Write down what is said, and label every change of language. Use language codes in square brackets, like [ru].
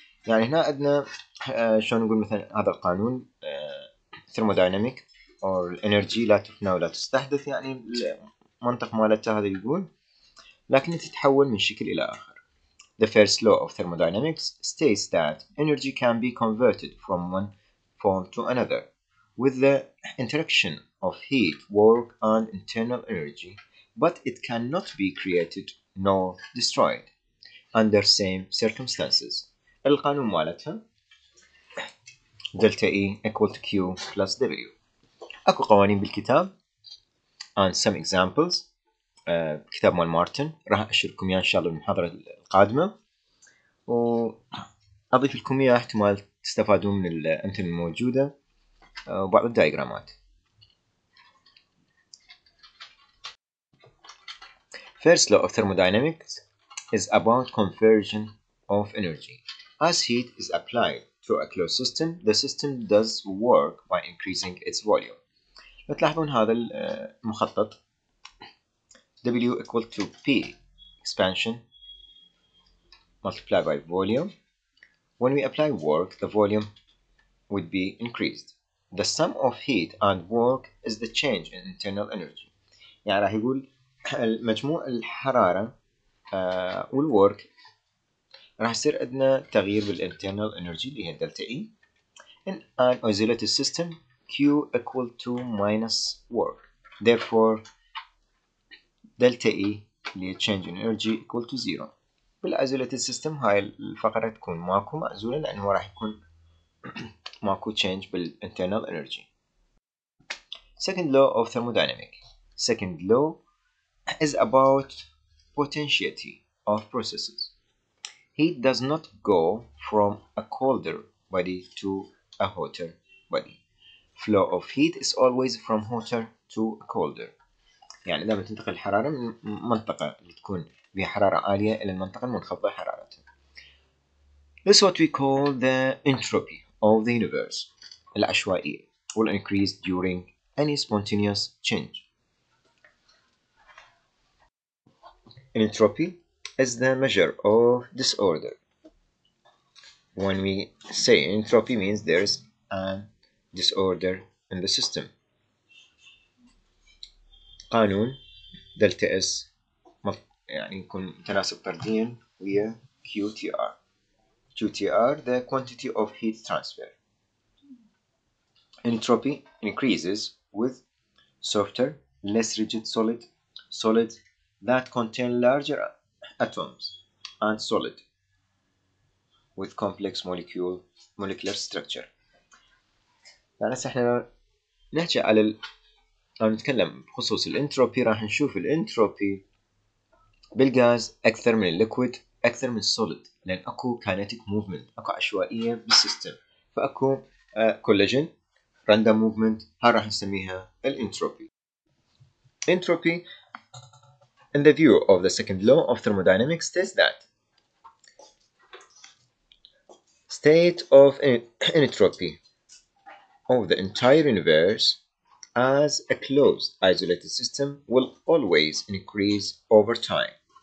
[ar] يعني هنا عندنا شلون نقول مثلا هذا القانون [en] thermodynamic or energy [ar] لا تفنى ولا تستحدث يعني المنطق مالته هذا يقول لكن تتحول من شكل إلى آخر. [en] The first law of thermodynamics states that energy can be converted from one form to another with the interaction of heat, work, and internal energy, but it cannot be created nor destroyed under same circumstances. [ar] القانون مالتها [en] delta E equal to Q plus W. [ar] أكو قوانين بالكتاب [en] and some examples [ar] كتاب مال مارتن راح أشرككم إياه إن شاء الله بالمحاضرة القادمة وأضيف لكم إياه احتمال تستفادون من الأمثلة الموجودة وبعض الدايجرامات. [en] First law of thermodynamics is about conversion of energy. As heat is applied to a closed system, the system does work by increasing its volume. [ar] تلاحظون هذا المخطط [en] W equal to P expansion multiplied by volume. When we apply work, the volume would be increased. The sum of heat and work is the change in internal energy. [ar] يعني راح يقول المجموع الحرارة والwork راح يصير عندنا تغيير بالinternal energy اللي هي delta E. [en] In an isolated system, Q equal to minus work. Therefore, delta E [ar] اللي هي [en] change in energy equal to zero. [ar] بالisolated system هاي الفقرة تكون ماكو معزولة لأنه راح يكون ماكو change بالinternal energy. [en] Second law of thermodynamics. Second law is about potentiality of processes. Heat does not go from a colder body to a hotter body. Flow of heat is always from hotter to colder. [ar] يعني لما تنتقل الحرارة من منطقة اللي تكون فيها حرارة عالية إلى المنطقة المنخفضة حرارة. [en] This is what we call the entropy of the universe. [ar] العشوائية [en] will increase during any spontaneous change. Entropy is the measure of disorder. When we say entropy, means there's a disorder in the system. [ar] قانون delta S يعني يكون تناسب طردياً ويا QTR. [en] QTR the quantity of heat transfer. Entropy increases with softer, less rigid solid, solid that contain larger atoms, and solid with complex molecular structure. [ar] يعني هسه احنا نحكي على نتكلم بخصوص الانتروبي. راح نشوف الانتروبي بالغاز اكثر من الليكويد اكثر من السوليد، لان اكو كاينتيك موفمنت، اكو عشوائيه بالسيستم، فاكو كولجن راندوم موفمنت. ها راح نسميها الانتروبي. [en] Entropy in the view of the second law of thermodynamics states that state of entropy of the entire universe as a closed isolated system will always increase over time.